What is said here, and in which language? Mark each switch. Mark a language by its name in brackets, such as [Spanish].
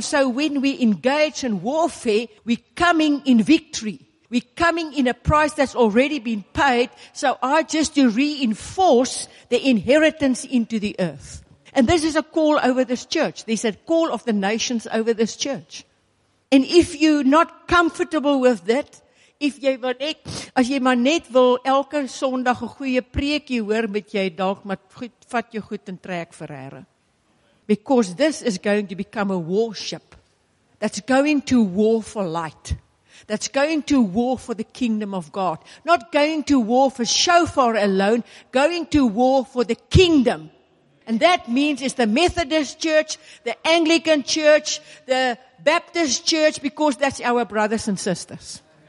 [English] So when we engage in warfare, we're coming in victory. We're coming in a price that's already been paid. So I just to reinforce the inheritance into the earth. And this is a call over this church. There's a call of the nations over this church. And if you're not comfortable with that, if [Afrikaans] jy maar net, as jy maar net wil elke Sondag 'n goeie preekie hoor, moet jy dalk maar goed, vat jou goed en trek vir Here. [English] Because this is going to become a warship that's going to war for light. That's going to war for the kingdom of God. Not going to war for shofar alone. Going to war for the kingdom. And that means it's the Methodist church, the Anglican church, the Baptist church, because that's our brothers and sisters.